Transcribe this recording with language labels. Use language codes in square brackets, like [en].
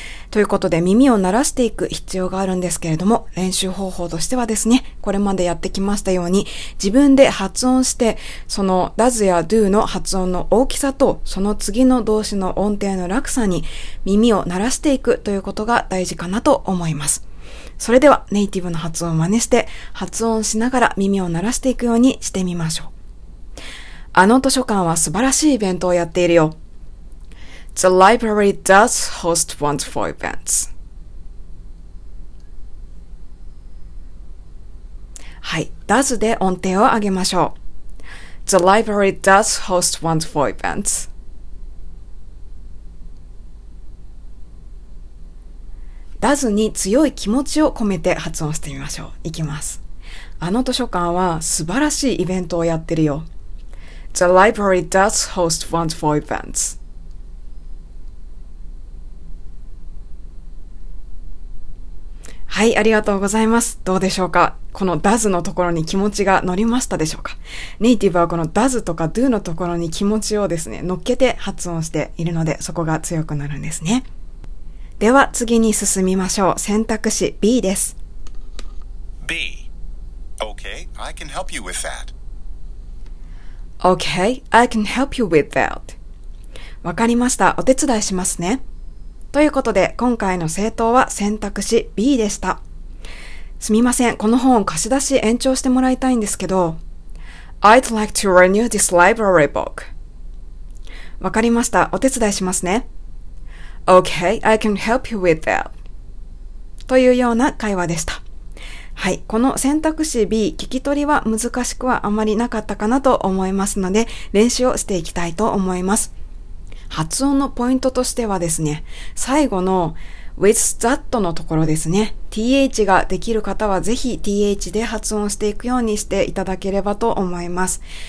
[ja] ということで、耳を慣らしていく必要があるんですけれども、練習方法としてはですね、これまでやってきましたように、自分で発音して、その does や do の発音の大きさと、その次の動詞の音程の落差に耳を慣らしていくということが大事かなと思います。それではネイティブの発音を真似して、発音しながら耳を慣らしていくようにしてみましょう。あの図書館は素晴らしいイベントをやっているよ。 [en] The library does host wonderful events. [ja] はい、does で音程を上げましょう。 [en] The library does host wonderful events. [ja] does に強い気持ちを込めて発音してみましょう。いきます。あの図書館は素晴らしいイベントをやってるよ。 [en] The library does host wonderful events. [ja] はい、ありがとうございます。どうでしょうか、この does のところに気持ちが乗りましたでしょうか。ネイティブはこの does とか do のところに気持ちをですね、乗っけて発音しているので、そこが強くなるんですね。では次に進みましょう。選択肢 B です。 [en] B Okay, I can help you with that. Okay, I can help you with that. [ja] わかりました、お手伝いしますね。ということで、今回の正答は選択肢 B でした。すみません、この本を貸し出し延長してもらいたいんですけど。 [en] I'd like to renew this library book. [ja] わかりました、お手伝いしますね。 [en] Okay, I can help you with that. [ja] というような会話でした。はい、この選択肢 B、聞き取りは難しくはあまりなかったかなと思いますので、練習をしていきたいと思います。発音のポイントとしてはですね、最後の with that のところですね、 th ができる方はぜひ th で発音していくようにしていただければと思います。